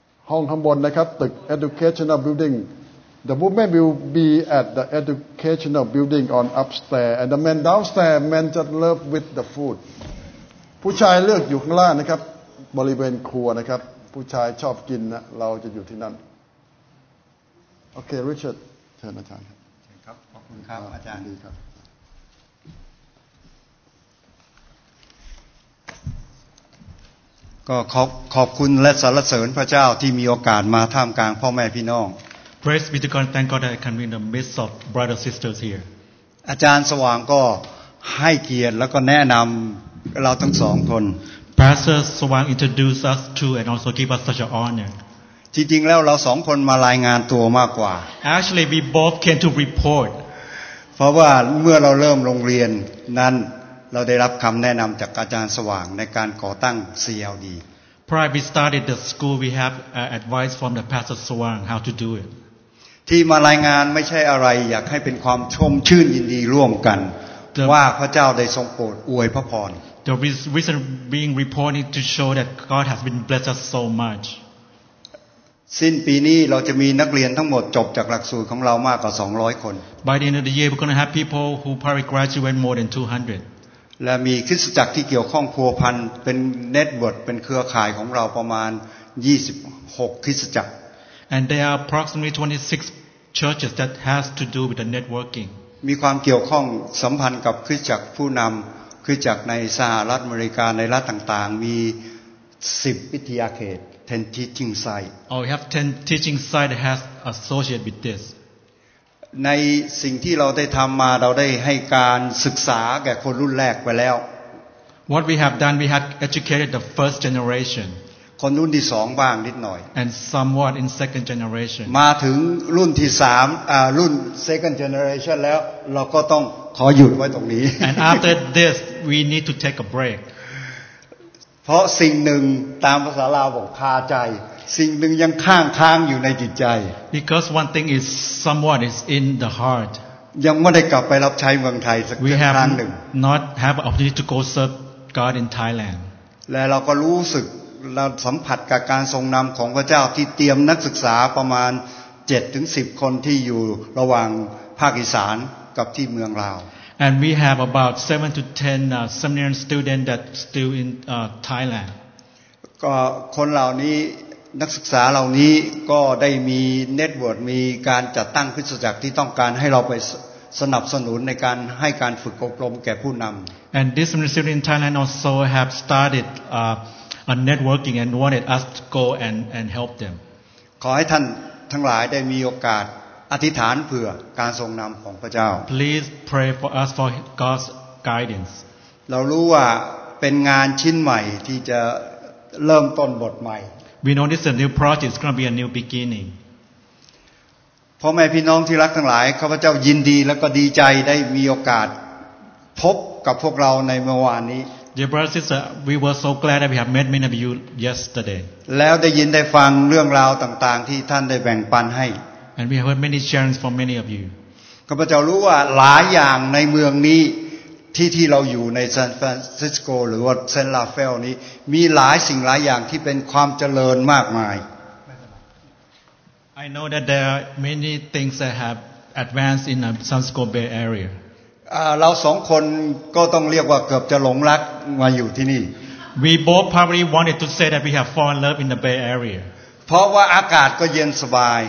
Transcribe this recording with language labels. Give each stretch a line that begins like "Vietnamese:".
Thai: ห้องข้างบนนะครับตึก
English: educational building the women will be at the educational building on upstairs and the men downstairs men just love with the food
Thai: ผู้ชายเลือกอยู่ข้างล่างนะครับบริเวณครัวนะครับผู้ชายชอบกินนะเราจะอยู่ที่นั่นโอเคริชาร์ดเชิญอาจารย์ ครับขอบคุณครับอาจารย์ ดีครับ ก็ขอบคุณและสรรเสริญพระเจ้าที่มีโอกาสมาท่ามกลางพ่อแม่พี่น้อง
English: Praise be to God, thank God that I can be in the midst of brothers and sisters here.
Thai: อาจารย์สว่างก็ให้เกียรติแล้วก็แนะนำเราทั้งสองคน
English: Pastor Swang introduced us to and also gave us such an honor.
Thai: จริงๆแล้วเราสองคนมารายงานตัวมากกว่า
English: Actually, we both came to report.
Thai: เพราะว่าเมื่อเราเริ่มโรงเรียนนั้นเราได้รับคำแนะนำจากอาจารย์สว่างในการก่อตั้ง CLD
English: Prior we started the school we have advice from the Pastor Swang how to do it
Thai: ที่มารายงานไม่ใช่อะไรอยากให้เป็นความชมชื่นยินดีร่วมกันว่าพระเจ้าได้ทรงโปรดอวยพระพร
English: The reason being reporting to show that God has been blessed us so much
Thai: สิ้นปีนี้เราจะมีนักเรียนทั้งหมดจบจากหลักสูตรของเรามากกว่า200คน
English: By the end of the year we're going to have people who probably graduate more than 200
Thai: และมีคริสตจักรที่เกี่ยวข้องพัวพันเป็นเน็ตเวิร์คเป็นเครือข่ายของเราประมาณ26คริสตจักร
English: And there are approximately 26 churches that has to do with the networking
Thai: มีความเกี่ยวข้องสัมพันธ์กับคริสตจักรผู้นำคริสตจักรในสหรัฐอเมริกาในรัฐต่างๆมี10วิทยาเขต
English: 10 teaching site or we have 10 teaching site that has associated with this
Thai: ในสิ่งที่เราได้ทำมาเราได้ให้การศึกษาแก่คนรุ่นแรกไปแล้ว
English: what we have done we have educated the first generation
Thai: คนรุ่นที่2บ้างนิดหน่อย
English: and somewhat in second generation
Thai: มาถึงรุ่นที่3รุ่น second generation แล้วเราก็ต้องขอหยุดไว้ตรงนี้
English: and after this we need to take a break
Thai: เพราะสิ่งหนึ่งตามภาษาลาวบอกคาใจสิ่งหนึ่งยังค้างอยู่ในจิตใจ
English: because one thing is somewhat is in the heart
Thai: ยังไม่ได้กลับไปรับใช้เมืองไทยสักครั้งหนึ่ง
English: we have not have opportunity to go serve God in Thailand
Thai: และเราก็รู้สึกเราสัมผัสกับการทรงนำของพระเจ้าที่เตรียมนักศึกษาประมาณ 7-10 คนที่อยู่ระหว่างภาคอีสานกับที่เมืองลาว
English: And we have about 7-10 seminary students that still in Thailand
Thai: ก็คนเหล่านี้นักศึกษาเหล่านี้ก็ได้มีเน็ตเวิร์คมีการจัดตั้งคริสตจักรที่ต้องการให้เราไปสนับสนุนในการให้การฝึกอบรมแก่ผู้นำ
English: And this seminary student in Thailand also have started a networking and wanted us to go and help them
Thai: ขอให้ท่านทั้งหลายได้มีโอกาสอธิษฐานเผื่อการทรงนำของพระเจ้า
English: please pray for us for God's guidance
Thai: เรารู้ว่าเป็นงานชิ้นใหม่ที่จะเริ่มต้นบทใหม่
English: we know this is a new project it's going to be a new beginning
Thai: พ่อแม่พี่น้องที่รักทั้งหลายข้าพเจ้ายินดีและก็ดีใจได้มีโอกาสพบกับพวกเราในเมื่อวานนี้
English: Dear brothers and sisters, we were so glad that we have met many of you yesterday.
Thai: แล้วได้ยินได้ฟังเรื่องราวต่างๆที่ท่านได้แบ่งปันให้
English: And we have heard many sharings from many of you.
Thai: ข้าพเจ้ารู้ว่าหลายอย่างในเมืองนี้ที่เราอยู่ในซานฟรานซิสโกหรือว่าเซนต์ลาเฟลนี้มีหลายสิ่งหลายอย่างที่เป็นความเจริญมากมาย
English: I know that there are many things that have advanced in the San Francisco Bay Area.
Thai: เราสองคนก็ต้องเรียกว่าเกือบจะหลงรักมาอยู่ที่นี่
English: We both probably wanted to say that we have fallen in love in the Bay Area
Thai: เพราะว่าอากาศก็เย็นสบาย